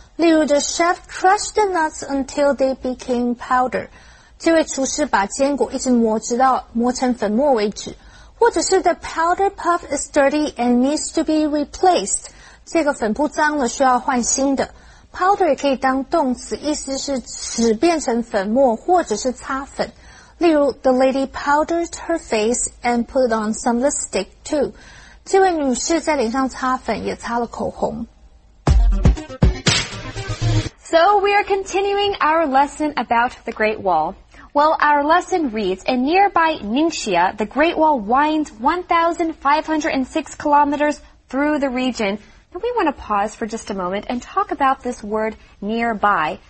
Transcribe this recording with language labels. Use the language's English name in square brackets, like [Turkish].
[Chinese] 例如 [English] ,the chef crushed the nuts until they became powder. [Chinese] 这位厨师把坚果一直磨直到磨成粉末为止。或者是 [English] ,the powder puff is dirty and needs to be replaced. [Chinese] 这个粉扑脏了需要换新的。 powder 也可以当动词意思是使变成粉末或者是擦粉。例如 [English] ,the lady powdered her face and put on some lipstick too. [Chinese] 这位女士在脸上擦粉也擦了口红。 [English] So we are continuing our lesson about the Great Wall. Well, our lesson reads, in nearby Ningxia, the Great Wall winds 1,506 kilometers through the region. Now we want to pause for just a moment and talk about this word nearby.